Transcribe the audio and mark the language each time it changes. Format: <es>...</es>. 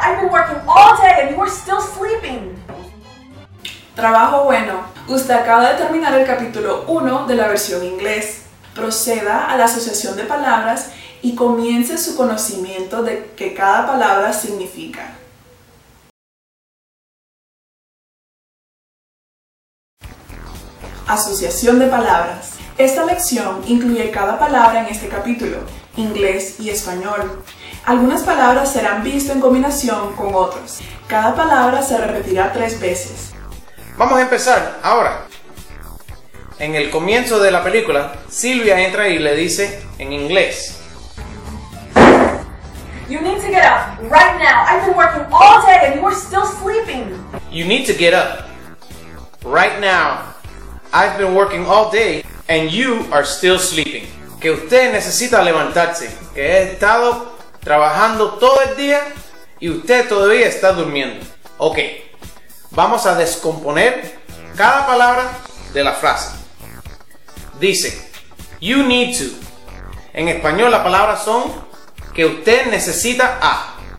<en>I've been working all day and you are still sleeping.</en> <es>Trabajo bueno. Usted acaba de terminar el capítulo 1 de la versión inglés. Proceda a la asociación de palabras y comience su conocimiento de qué cada palabra significa. Asociación de palabras. Esta lección incluye cada palabra en este capítulo, inglés y español. Algunas palabras serán vistas en combinación con otras. Cada palabra se repetirá 3 veces. Vamos a empezar ahora. En el comienzo de la película, Silvia entra y le dice en inglés.</es> <en>You need to get up right now. I've been working all day and you are still sleeping. You need to get up right now. I've been working all day and you are still sleeping.</en> <es>Que usted necesita levantarse. Que he estado trabajando todo el día y usted todavía está durmiendo. Ok. Vamos a descomponer cada palabra de la frase. Dice,</es> <en>you need to.</en> <es>En español las palabras son que usted necesita a.</es>